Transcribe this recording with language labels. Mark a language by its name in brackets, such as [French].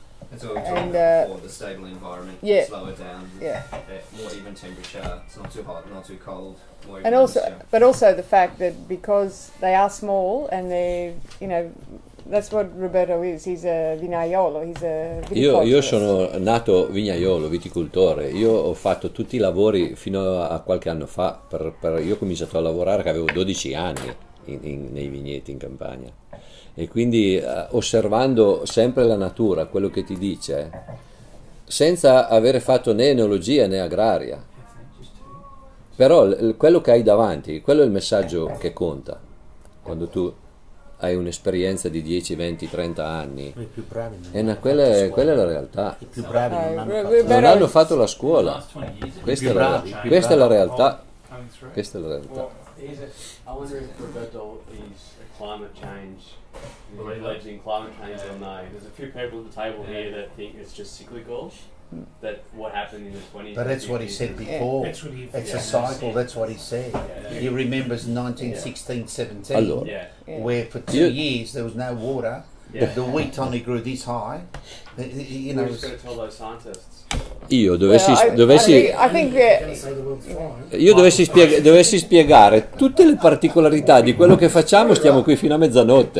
[English] The stable environment, yeah, slower down, more even temperature, it's not too hot, not too cold. And also, but also the fact that because they are small and they, you know, that's what Roberto is. He's a vignaiolo. He's a viticoltore. [Italian] Io sono nato vignaiolo, viticoltore. Io ho fatto tutti i lavori fino a qualche anno fa. Io ho cominciato a lavorare che avevo 12 anni nei vigneti in campagna. E quindi osservando sempre la natura, quello che ti dice, senza avere fatto né enologia né agraria. Però quello che hai davanti, quello è il messaggio che conta quando tu hai un'esperienza di 10, 20, 30 anni. I più bravi. Quella è la realtà. I più bravi non hanno fatto la scuola. Non hanno fatto la scuola. Questa è la realtà. Questa è la realtà. [English] I wonder if Roberto is a climate change, alleging climate change or no. There's a few people at the table here that think it's just cyclical. That what happened in the 20s, but that's what he said before. It's a cycle. That's what he said. Yeah. He remembers 1916, 17, [Italian] allora. [English] Yeah. Where for two years there was no water. Yeah. The wheat only grew this high. You know. Who's going to tell those scientists? [Italian] Io dovessi dovessi spiegare tutte le particolarità di quello che facciamo, stiamo qui fino a mezzanotte.